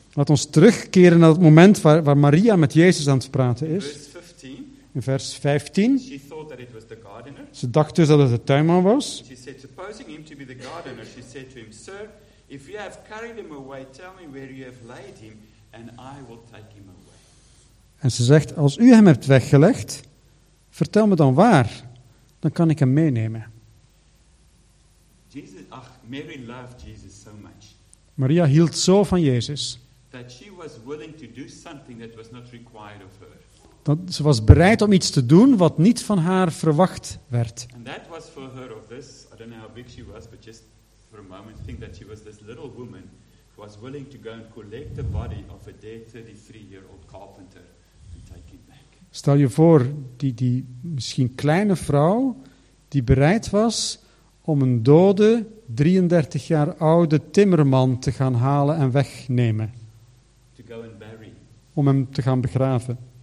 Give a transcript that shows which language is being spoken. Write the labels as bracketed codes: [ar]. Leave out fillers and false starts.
[nl] Laat ons terugkeren naar het moment waar Maria met Jezus aan het praten is. [en] Verse 15, [nl] in vers 15. [en] She thought that it was the gardener. [nl] Ze dacht dus dat het de tuinman was. [en] She said, supposing him to be the gardener, she said to him, "Sir, if you have carried him away, tell me where you have laid him. And I will take him away." [nl] En ze zegt, als u hem hebt weggelegd, vertel me dan waar, dan kan ik hem meenemen. [en] Mary loved Jesus so much. [nl] Maria hield zo van Jezus. [en] That she was willing to do something that was not required of her. [nl] Dat ze was bereid om iets te doen wat niet van haar verwacht werd. [en] And that was for her of this, I don't know how big she was, but just for a moment think that she was this little woman. Was willing to go and collect the body of a dead 33-year-old carpenter and take it back. [nl] Stel je voor, die misschien kleine vrouw die bereid was om een dode 33 jaar oude timmerman te gaan halen en wegnemen. [en] To go and bury. [nl] Om hem te gaan begraven.